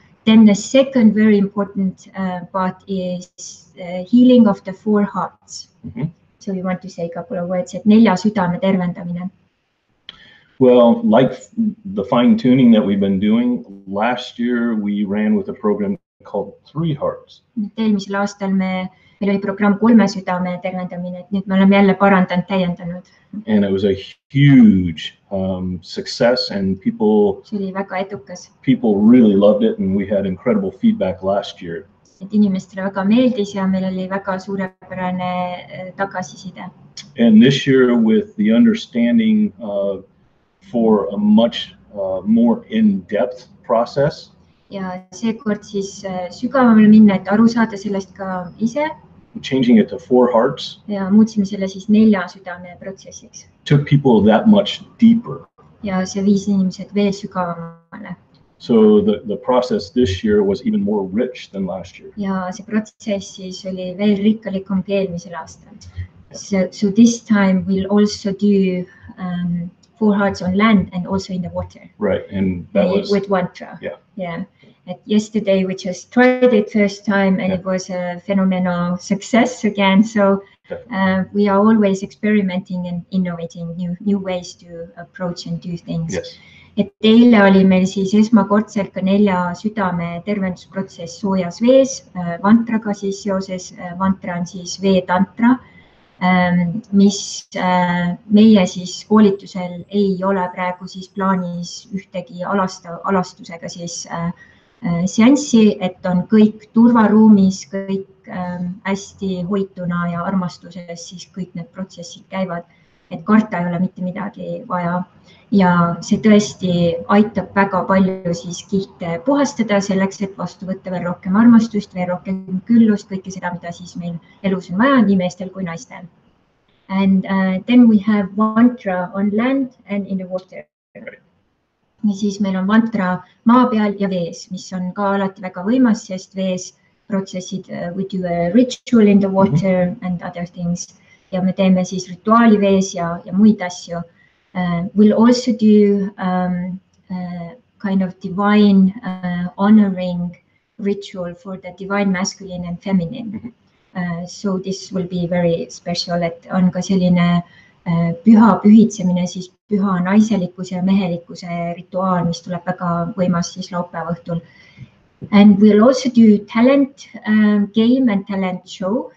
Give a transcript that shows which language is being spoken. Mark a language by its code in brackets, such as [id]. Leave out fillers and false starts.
[en] Then the second very important part is healing of the four hearts. Mm-hmm. So you want to say a couple of words, [et] et nelja südame tervendamine. [en] Well, like the fine tuning that we've been doing, last year we ran with a program called Three Hearts. [et] Eelmisel aastal meil oli programm kolme südame tervendamine, et nüüd me oleme jälle parandanud, täiendanud. [en] And it was a huge success and [et] see oli väga edukas. [en] People really loved it and we had incredible feedback last year. [et] Et inimestele väga meeldis ja meil oli väga suurepärane tagasiside. [en] And this year with the understanding for a much more in-depth process. [et] Ja see kord siis sügavamale minna, et aru saada sellest ka ise. [en] Changing it to four hearts. [et] Ja muutsime selle siis nelja südame protsessiks. [en] Took people that much deeper. [et] Ja see viis inimesed veel sügavamale. [en] So the process this year was even more rich than last year. [et] Ja see protsess siis oli veel rikkalikum kui eelmisel aastal. [en] So this time we'll also do four hearts on land and also in the water. Right, and that was with mantra. Yeah. Yeah. At yesterday we just tried it first time and yeah. It was a phenomenal success again. So we are always experimenting and innovating new ways to approach and do things. Yes. [et] Et eile oli meil siis esmakordselt ka nelja südame tervendusprotsess soojas vees, mantraga siis seoses. Mantra on siis vee tantra. Mis meie siis koolitusel ei ole praegu siis plaanis ühtegi alastusega siis seanssi, et on kõik turvaruumis, kõik hästi hoituna ja armastuses siis kõik need protsessid käivad, et karta ei ole mitte midagi vaja ja see tõesti aitab väga palju siis kihte puhastada selleks, et vastu võtta veel rohkem armastust, veel rohkem küllust, kõike seda, mida siis meil elus on vaja nii meestel kui naistel. [en] And then we have mantra on land and in the water. [et] Ja siis meil on mantra maa peal ja vees, mis on ka alati väga võimas, sest vees protsessid, [en] we do a ritual in the water and other things. [et] Ja me teeme siis rituaali vees ja muid asju. [en] We'll also do kind of divine honoring ritual for the divine masculine and feminine. So this will be very special, [et] et on ka selline püha pühitsemine, siis püha naiselikuse ja mehelikuse rituaal, mis tuleb väga võimas siis laupäeva õhtul. [en] And we'll also do talent game and talent show.